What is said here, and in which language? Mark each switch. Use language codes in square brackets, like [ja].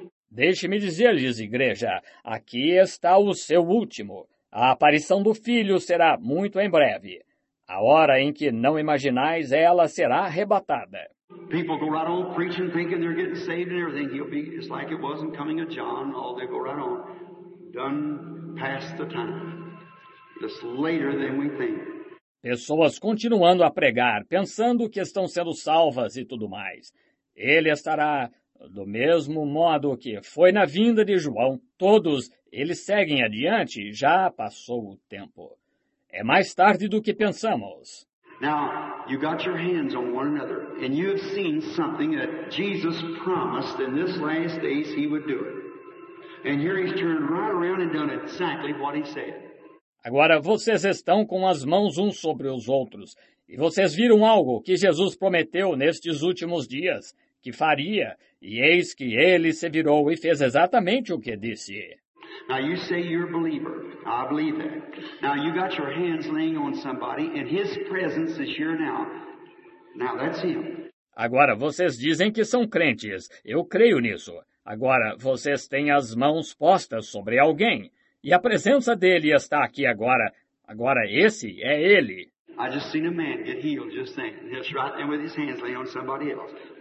[pt] Deixe-me dizer-lhes, igreja, aqui está o seu último. A aparição do filho será muito em breve. A hora em que não imaginais, ela será arrebatada. [en] People go right on preaching, thinking they're getting saved and everything. He'll be just like it was in coming of John. All they go right on. Done past the time. It's later than we think. [pt] Pessoas continuando a pregar, pensando que estão sendo salvas e tudo mais. Ele estará do mesmo modo que foi na vinda de João. Todos eles seguem adiante. Já passou o tempo. É mais tarde do que pensamos. [en] Now, you got your hands on one another, and you have seen something that Jesus promised in this last days he would do it. And here he's turned right around and done exactly what he said. [pt] Agora vocês estão com as mãos uns sobre os outros. E vocês viram algo que Jesus prometeu nestes últimos dias, que faria, e eis que ele se virou e fez exatamente o que disse. [en] Now you say you're a believer. I believe that. Now you got your hands laying on somebody, and his presence is here now. Now that's him. [pt] Agora vocês dizem que são crentes. Eu creio nisso. Agora vocês têm as mãos postas sobre alguém, e a presença dele está aqui agora. Agora esse é ele. [en] I just seen a man get healed just then. He's right there with his hands laying on somebody else.